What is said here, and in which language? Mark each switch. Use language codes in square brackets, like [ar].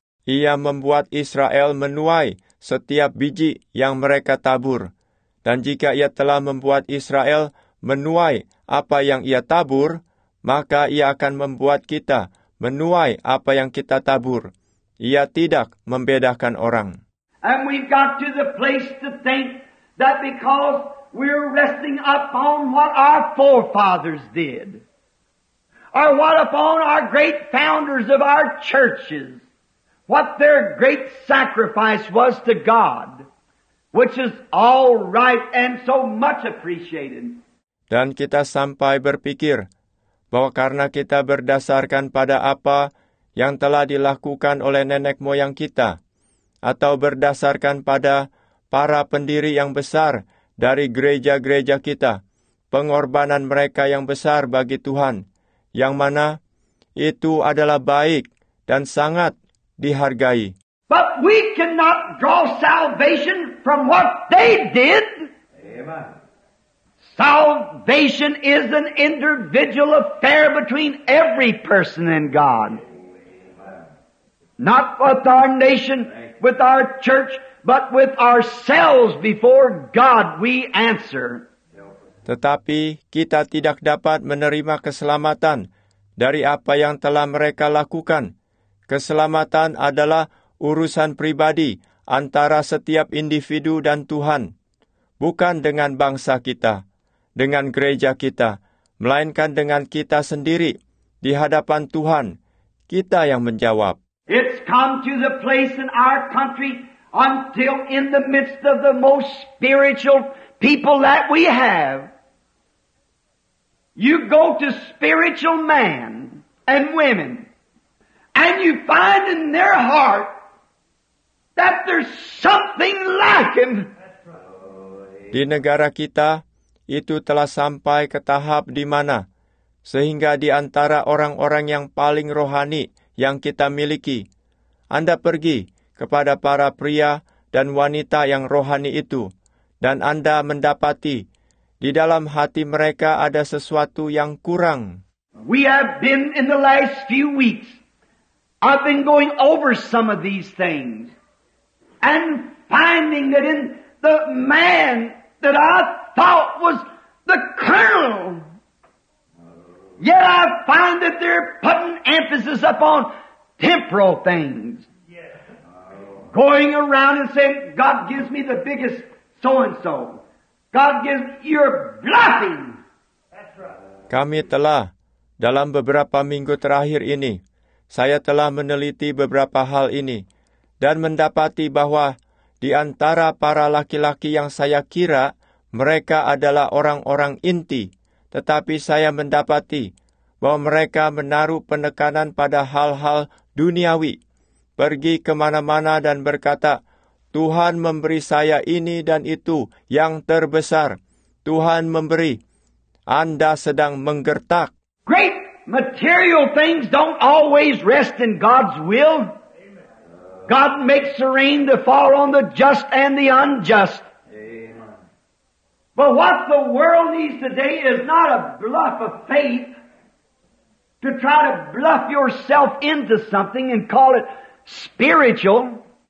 [id] Ia membuat Israel menuai setiap biji yang mereka tabur. Dan jika ia telah membuat Israel menuai apa yang ia tabur, maka ia akan membuat kita menuai apa yang kita tabur. Ia tidak membedakan orang. [en] And we got to the place to think that because we're resting upon what our forefathers did, or what upon our great founders of our churches, what their great sacrifice was to God, which is all right and so much appreciated. [id] Dan kita sampai berpikir bahwa karena kita berdasarkan pada apa yang telah dilakukan oleh nenek moyang kita, atau berdasarkan pada para pendiri yang besar dari gereja-gereja kita, pengorbanan mereka yang besar bagi Tuhan, yang mana itu adalah baik dan sangat dihargai. [en] But we cannot draw salvation from what they did. Amen. Salvation is an individual affair between every person and God. Not with our nation, with our church, but with ourselves before God we answer. [id] Tetapi kita tidak dapat menerima keselamatan dari apa yang telah mereka lakukan. Keselamatan adalah urusan pribadi antara setiap individu dan Tuhan, bukan dengan bangsa kita, dengan gereja kita, melainkan dengan kita sendiri di hadapan Tuhan, kita yang menjawab. [en] It's come to the place in our country until in the midst of the most spiritual people that we have, you go to spiritual man and women, and you find in their heart that there's something lacking. [id] Di negara kita, itu telah sampai ke tahap di mana sehingga di antara orang-orang yang paling rohani yang kita miliki. Anda pergi kepada para pria dan wanita yang rohani itu, dan Anda mendapati di dalam hati mereka ada sesuatu yang kurang. [en] We have been in the last few weeks. I've been going over some of these things and finding that in the man that I thought was the colonel, yet I find that they're putting emphasis upon temporal things. Going around and saying, God gives me the biggest so-and-so. God gives, you're bluffing. [id] Kami telah, dalam beberapa minggu terakhir ini, saya telah meneliti beberapa hal ini, dan mendapati bahwa di antara para laki-laki yang saya kira, mereka adalah orang-orang inti. Tetapi saya mendapati bahwa mereka menaruh penekanan pada hal-hal duniawi. Pergi kemana-mana dan berkata, Tuhan memberi saya ini dan itu yang terbesar. Tuhan memberi. Anda sedang menggertak. [en] Great material things don't always rest in God's will. God makes the rain to fall on the just and the unjust. But what the world needs today is not a bluff of faith to try to bluff yourself into something and call it spiritual.